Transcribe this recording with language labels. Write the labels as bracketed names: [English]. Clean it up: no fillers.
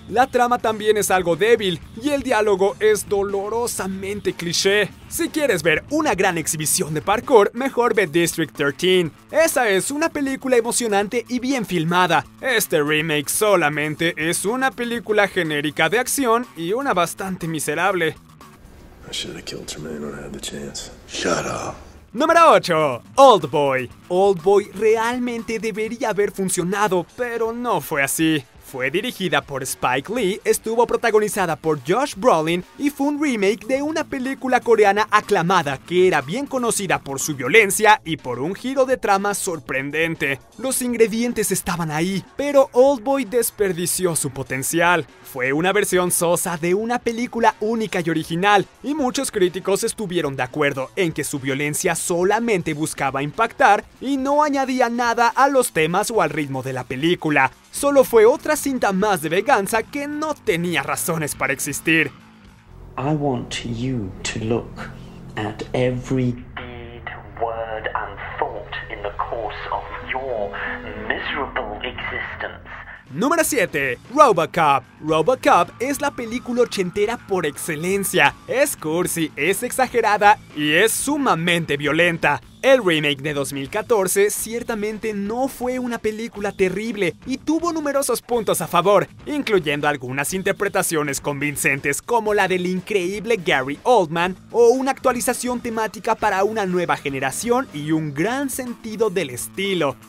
[Spanish] La trama también es algo débil, y el diálogo es dolorosamente cliché. Si quieres ver una gran exhibición de parkour, mejor ve District 13. Esa es una película emocionante y bien filmada. Este remake solamente es una película genérica de acción y una bastante miserable. [English] I should have killed Tremaine when I had the chance. Shut up. [Spanish] Número 8. Oldboy. Oldboy realmente debería haber funcionado, pero no fue así. Fue dirigida por Spike Lee, estuvo protagonizada por Josh Brolin y fue un remake de una película coreana aclamada que era bien conocida por su violencia y por un giro de trama sorprendente. Los ingredientes estaban ahí, pero Oldboy desperdició su potencial. Fue una versión sosa de una película única y original, y muchos críticos estuvieron de acuerdo en que su violencia solamente buscaba impactar y no añadía nada a los temas o al ritmo de la película. Solo fue otra cinta más de venganza que no tenía razones para existir. [English] I want you to look at every deed, word and thought in the course of your miserable existence. [Spanish] Número 7. RoboCop. RoboCop es la película ochentera por excelencia. Es cursi, es exagerada y es sumamente violenta. El remake de 2014 ciertamente no fue una película terrible y tuvo numerosos puntos a favor, incluyendo algunas interpretaciones convincentes como la del increíble Gary Oldman o una actualización temática para una nueva generación y un gran sentido del estilo.